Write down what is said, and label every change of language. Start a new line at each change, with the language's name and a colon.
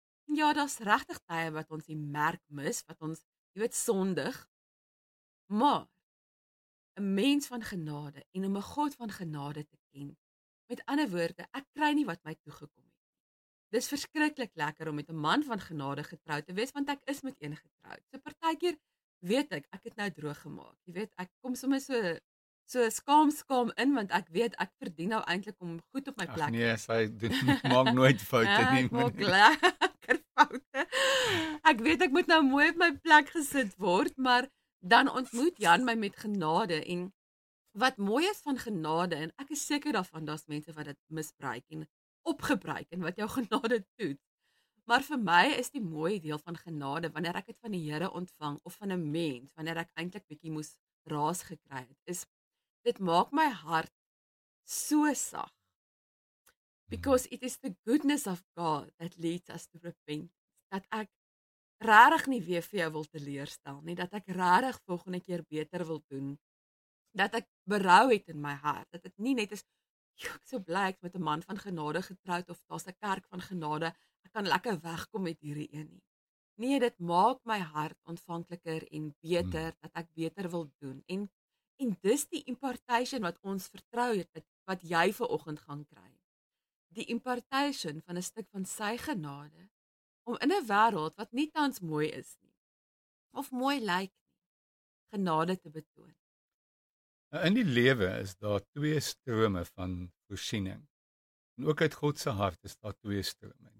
Afrikaans: En ja, daar's regtig tye wat ons die merk mis, wat ons, jy weet, sondig. Maar, 'n mens van genade en om 'n God van genade te ken, met ander woorde, ek kry nie wat my toegekom het. Dis verskriklik lekker om met 'n man van genade getroud te wees, want ek is met een getroud. So partykeer weet ek, ek het nou droog gemaak. Jy weet, ek kom sommer so skaam in, want ek weet ek verdien nou eintlik om goed op my plek. Ach nee, sy doen maak nooit foute nie. Ek maak lekker foute. Ek weet ek moet nou mooi op my plek gesit word, maar dan ontmoet Jan my met genade en wat mooi is van genade en ek is seker daarvan daar's mense wat dit misbruik en opgebruik en wat jou genade toets. Maar vir my is die mooi deel van genade wanneer ek dit van die Here ontvang of van 'n mens, wanneer ek eintlik bietjie moes raas gekry het, is dit maak my hart so sag.
English: Because it is the goodness of God that leads us to repentance.
Afrikaans: Dat ek regtig nie weer vir jou wil teleerstel nie, dat ek regtig volgende keer beter wil doen. Dat ek berou het in my hart, dat dit nie net is jo, ek so bly ek met 'n man van genade getroud of daar's 'n kerk van genade. Ek kan lekker wegkom met hierdie een nie. Nee, dit maak my hart ontvankliker en beter, dat ek beter wil doen. En dis die impartation wat ons vertrou het, wat jy vanoggend gaan kry. Die impartation van 'n stuk van sy genade om in 'n wêreld wat nie tans mooi is nie of mooi lyk nie, genade te betoon. In die lewe is daar twee strome van voorsiening. En ook uit God se hart is daar twee strome.